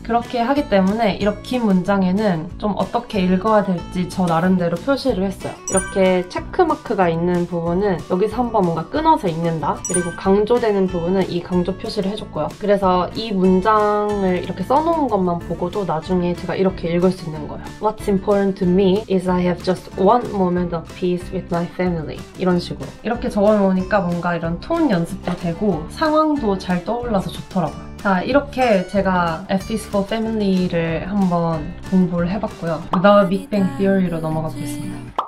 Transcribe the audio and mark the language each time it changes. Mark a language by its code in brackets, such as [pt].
[ko] 그렇게 하기 때문에 이렇게 긴 문장에는 좀 어떻게 읽어야 될지 저 나름대로 표시를 했어요. 이렇게 체크마크가 있는 부분은 여기서 한번 뭔가 끊어서 읽는다. 그리고 강조되는 부분은 이 강조 표시를 해줬고요. 그래서 이 문장을 이렇게 써놓은 것만 보고도 나중에 제가 이렇게 읽을 수 있는 거예요. [en] What's important to me is I have just one moment of peace with my family. [ko] 이런 식으로. 이렇게 적어놓으니까 뭔가 이런 톤 연습도 되고 상황도 잘 떠올라서 좋더라고요. 자 이렇게 제가 F is for family를 한번 공부를 해봤고요. 더 빅뱅 Theory로 넘어가 보겠습니다.